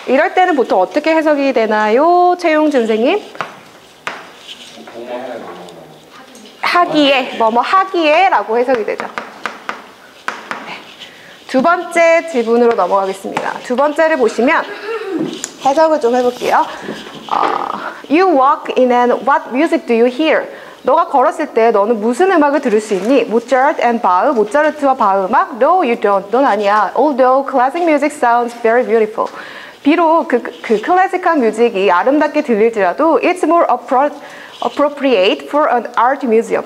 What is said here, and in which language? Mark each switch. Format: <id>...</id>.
<ko>이럴 때는 보통 어떻게 해석이 되나요? 최용준 선생님? 하기에, 뭐뭐 하기에 라고 해석이 되죠. 두 번째 질문으로 넘어가겠습니다. 두 번째를 보시면 해석을 좀 해볼게요.</ko> <en>You walk in and what music do you hear?</en> <ko>너가 걸었을 때 너는 무슨 음악을 들을 수 있니?</ko> <en>Mozart and Bach,</en> <ko>모차르트와 바흐 음악?</ko> <en>No, you don't.</en> <ko>넌 아니야.</ko> <en>Although classic music sounds very beautiful.</en> <ko>비록 그 클래식한 뮤직이 아름답게 들릴지라도</ko> <en>It's more appropriate for an art museum.</en>